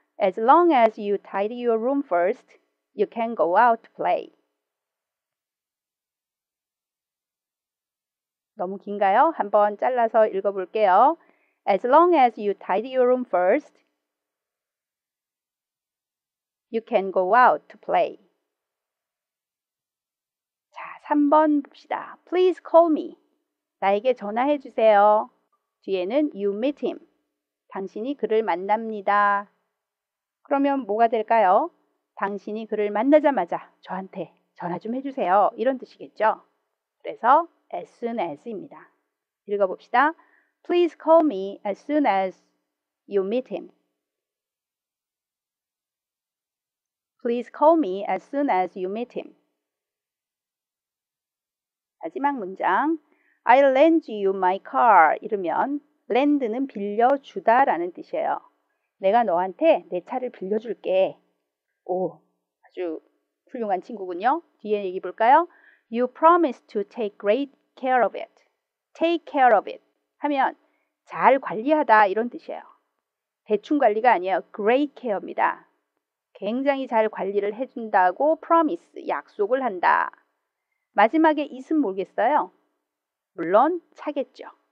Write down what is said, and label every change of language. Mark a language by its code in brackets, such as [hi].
[en] As long as you tidy your room first, you can go out to play. [ko] 너무 긴가요? 한번 잘라서 읽어볼게요. [en] As long as you tidy your room first, you can go out to play. [ko] 자, 3번 봅시다. [en] Please call me. [ko] 나에게 전화해 주세요. 뒤에는 [en] you meet him. [ko] 당신이 그를 만납니다. 그러면 뭐가 될까요? 당신이 그를 만나자마자 저한테 전화 좀 해주세요. 이런 뜻이겠죠? 그래서 as soon as입니다. 읽어봅시다. [en] Please call me as soon as you meet him. Please call me as soon as you meet him. [ko] 마지막 문장. [en] I'll lend you my car. [ko] 이러면 lend는 빌려주다 라는 뜻이에요. 내가 너한테 내 차를 빌려줄게. 오, 아주 훌륭한 친구군요. 뒤에 얘기 볼까요? [en] You promise to take great care of it. Take care of it. [ko] 하면 잘 관리하다 이런 뜻이에요. 대충 관리가 아니에요. Great care입니다. 굉장히 잘 관리를 해준다고 promise, 약속을 한다. 마지막에 is은 모르겠어요. 물론 차겠죠.